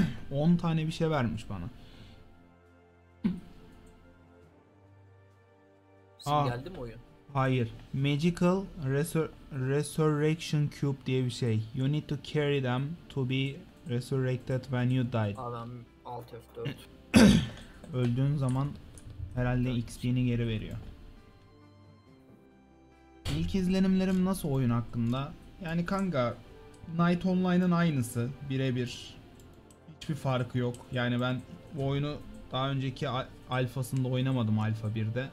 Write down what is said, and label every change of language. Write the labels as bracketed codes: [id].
[tr] On tane bir şey vermiş bana. Geldi mi oyun? Hayır. Magical Resurrection Cube diye bir şey. [en] You need to carry them to be resurrected when you die. [tr] Adam 6F4. Öldüğün zaman herhalde XP'ni geri veriyor. İlk izlenimlerim nasıl oyun hakkında? Yani kanka, Knight Online'ın aynısı. Birebir. Hiçbir farkı yok. Yani ben bu oyunu daha önceki alfasında oynamadım, alfa 1'de.